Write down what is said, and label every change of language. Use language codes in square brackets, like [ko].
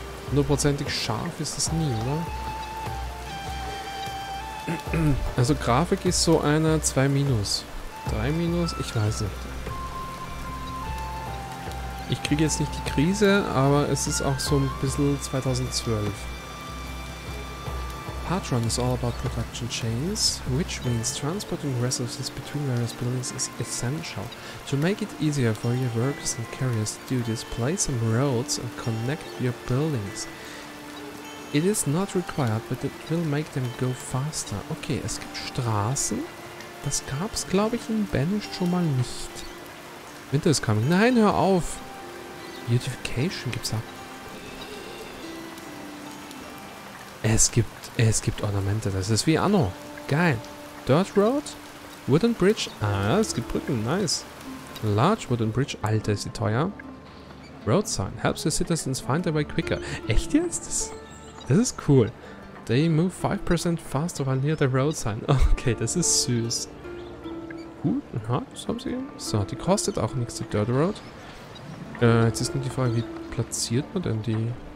[de] Hundertprozentig scharf ist das nie, oder? Also Grafik ist so einer 2 minus. 3 minus, ich weiß nicht. Ich kriege jetzt nicht die Krise, aber es ist auch so ein bisschen 2012. [en] Patron is all about production chains, which means transporting resources between various buildings is essential. To make it easier for your workers and carriers to do this, place some roads and connect your buildings. It is not required, but it will make them go faster. [de] Okay, es gibt Straßen. Das gab es, glaube ich, in Banished schon mal nicht. [en] Winter is coming. [de] Nein, hör auf! Beautification gibt's da. Es gibt Ornamente. Das ist wie Anno. Geil. Dirt Road. Wooden Bridge. Ah, es gibt Brücken. Nice. Large Wooden Bridge. Alter, ist die teuer. Road Sign. [en] Helps the citizens find their way quicker. [de] Echt jetzt? Das ist cool. [en] They move 5% faster while near the road sign. [de] Okay, das ist süß. Gut, aha, das haben sie. So, die kostet auch nichts, die Dirt Road. Jetzt ist nur die Frage, wie platziert man denn die?